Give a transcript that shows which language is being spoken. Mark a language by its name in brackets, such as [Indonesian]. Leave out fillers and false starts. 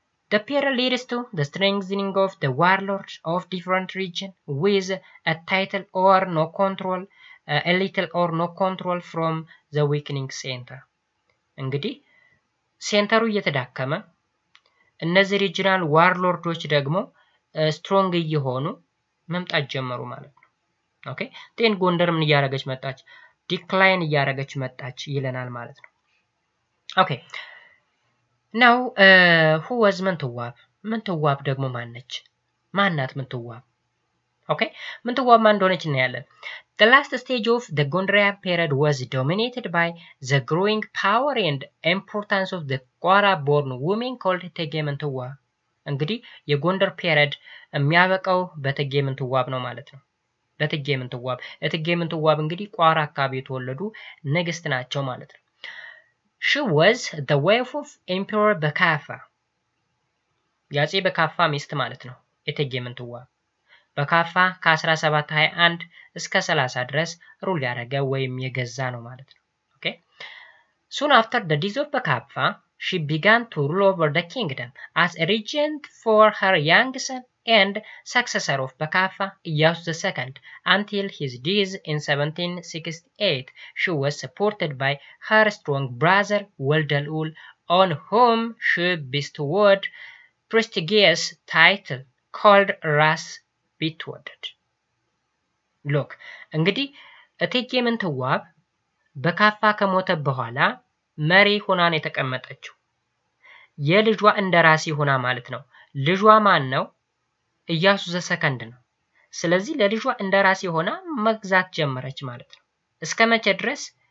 [English] The peril leads to the strengthening of the warlords of different regions with a title or no control. A little or no control from the weakening center. [Amharic] እንግዲህ ሴንተሩ እየተዳከመ እነዚህ regional warlords ደግሞ strong እየሆኑ መምጣት ጀመሩ ማለት ነው. ኦኬ? ጤን ጎንደር ምን ያረጋች መጣች? decline እያረገች መጣች ይለናል ማለት ነው። ኦኬ ናው [English] who was mentowab? [Amharic] mentowab ደግሞ ማን ነች? ማናት mentowab? [English] ኦኬ mentowab [Amharic] ማን እንደሆነች እናያለን። [English] The last stage of the Gondarian period was dominated by the growing power and importance of the Quara-born woman called Tege Mentowab. [Amharic] እንግዲህ የጎንደር ፔሪድ የሚያበቃው በተጌ ምንትዋብ ነው ማለት ነው። በተጌ ምንትዋብ እትጌ ምንትዋብ እንግዲህ ቋራ አካባቢ የተወለዱ ንግስት ናቸው ማለት ነው። [English] She was the wife of Emperor Bakafa. [Amharic] ያጼ በካፋ ሚስት ማለት ነው እትጌ ምንትዋብ። በካፋ ከ1721 እስከ 30 ድረስ ሩል ያደረገ ወይም የገዛ ነው ማለት ነው። ኦኬ [English] Soon after the death of Bakafa, she began to rule over the kingdom as a regent for her young son and successor of Bakafa, Iyasu II. Until his death in 1768, she was supported by her strong brother, Waldalul, on whom she bestowed prestigious title called Ras Betwodded. [Amharic] Look, እንግዲ እቴጌ ምንትዋብ በካፋ ከሞተ በኋላ መሪ ሆና ነው የተቀመጠችው። የልጇ እንደራሲ ሆና ማለት ነው። ልጇ ማን ነው? ኢያሱ ዘሰከንድ ነው። ስለዚህ ለልጇ እንደራሲ ሆና መግዛት ጀመረች ማለት ነው። እስከ መቼ ድረስ?